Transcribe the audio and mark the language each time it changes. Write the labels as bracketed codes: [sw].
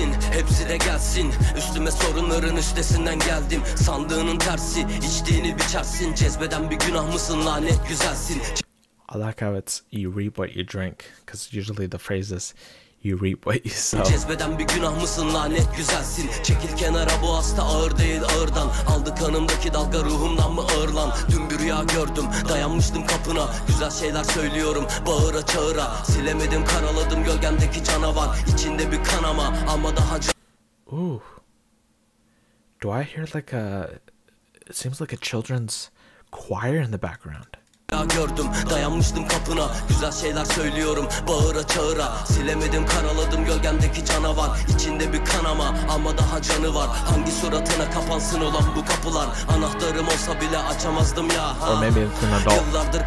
[tr] Hepsi de gelsin üstüme sorunların üstesinden geldim sandığının tersi içtiğini biçersin cezbeden bir günah mısın lanet güzelsin. [en] I like how it's you reap what you drink, because usually the phrase is you reap what you sow. [tr] Cezbeden bir günah mısın lanet güzelsin çekil kenara bu hasta ağır değil ağırdan aldı kanımdaki dalga ruhumdan mı ağır lan dün bir rüya gördüm dayanmıştım kapına güzel şeyler söylüyorum bağıra çağıra silemedim karaladım gölgemdeki canavar içinde bir kanama ama daha Ooh. [en] Do I hear like a it seems like a children's choir in the background? [tr] Gördüm dayanmıştım kapına güzel şeyler söylüyorum bağıra çağıra silemedim karaladım gölgemdeki canavar içinde bir kanama ama daha canı var hangi suratına kapansın olan bu kapılar anahtarım olsa bile açamazdım ya yıllardır